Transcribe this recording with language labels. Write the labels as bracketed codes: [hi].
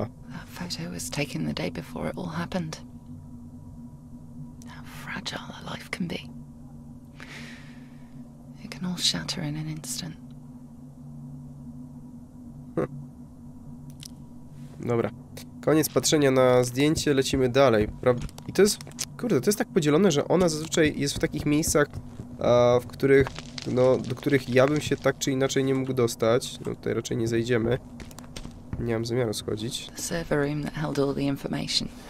[en] That photo was taken the day before it all happened. How fragile a life can be. It can all shatter in an instant. [pl] Dobra, koniec patrzenia na zdjęcie, lecimy dalej. I to jest Kurde, to jest tak podzielone, że ona zazwyczaj jest w takich miejscach, w których, no, do których ja bym się tak czy inaczej nie mógł dostać. No tutaj raczej nie zejdziemy. Nie mam zamiaru schodzić. [en] Server room that held all the information.